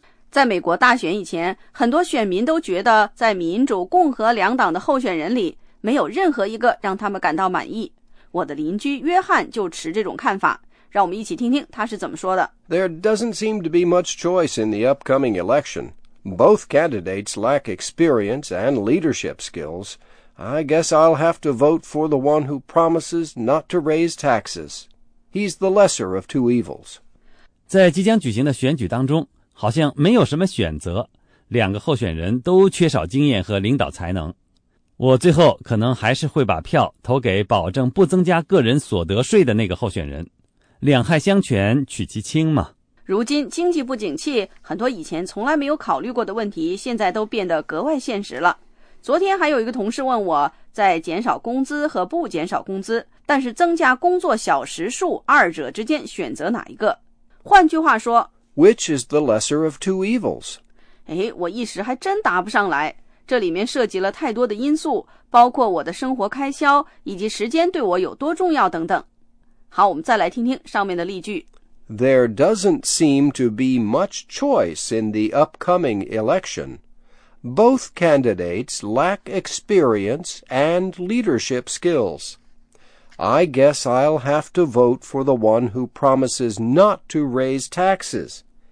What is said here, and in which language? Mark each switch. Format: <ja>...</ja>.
<zh>在美国大选以前，很多选民都觉得在民主、共和两党的候选人里，没有任何一个让他们感到满意。我的邻居约翰就持这种看法，让我们一起听听他是怎么说的。</zh> <en>There doesn't seem to be much choice in the upcoming election. Both candidates lack experience and leadership skills. I guess I'll have to vote for the one who promises not to raise taxes. He's the lesser of two evils.</en> <zh>在即将举行的选举当中，好像没有什么选择，两个候选人都缺少经验和领导才能。我最后可能还是会把票投给保证不增加个人所得税的那个候选人。两害相权取其轻嘛。如今经济不景气，很多以前从来没有考虑过的问题现在都变得格外现实了。昨天还有一个同事问我，在减少工资和不减少工资，但是增加工作小时数，二者之间选择哪一个？换句话说，</zh> <en>Which is the lesser of two evils?</en> <zh>哎，我一时还真答不上来。这里面涉及了太多的因素，包括我的生活开销以及时间对我有多重要等等。好，我们再来听听上面的例句。</zh> <en>There doesn't seem to be much choice in the upcoming election. Both candidates lack experience and leadership skills. I guess I'll have to vote for the one who promises not to raise taxes.</en>